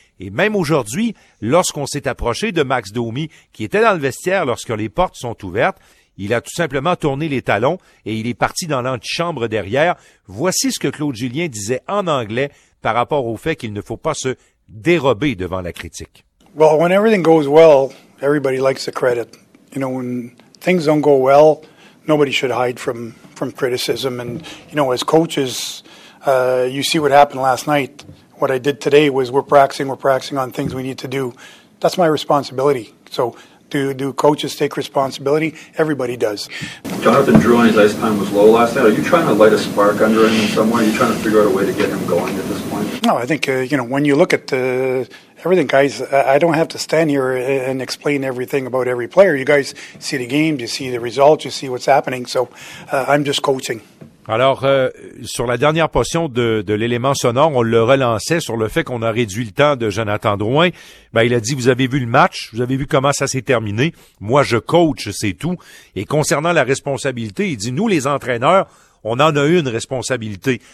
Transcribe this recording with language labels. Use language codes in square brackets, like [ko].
[fr] Et même aujourd'hui, lorsqu'on s'est approché de Max Domi, qui était dans le vestiaire lorsque les portes sont ouvertes, il a tout simplement tourné les talons et il est parti dans l'antichambre derrière. Voici ce que Claude Julien disait en anglais par rapport au fait qu'il ne faut pas se dérober devant la critique. [en] Well, when everything goes well, everybody likes the credit. You know, when things don't go well, nobody should hide from criticism. And, you know, as coaches, you see what happened last night. What I did today was we're practicing on things we need to do. That's my responsibility. So do coaches take responsibility? Everybody does. Jonathan Drouin's ice time was low last night. Are you trying to light a spark under him in some way? Are you trying to figure out a way to get him going at this point? No, I think, you know, when you look at the everything, guys, I don't have to stand here and explain everything about every player. You guys see the games, you see the results, you see what's happening. So I'm just coaching. [fr] Alors, sur la dernière portion de l'élément sonore, on le relançait sur le fait qu'on a réduit le temps de Jonathan Drouin. Ben, il a dit, vous avez vu le match, vous avez vu comment ça s'est terminé. Moi, je coach, c'est tout. Et concernant la responsabilité, il dit, nous, les entraîneurs, on en a une responsabilité.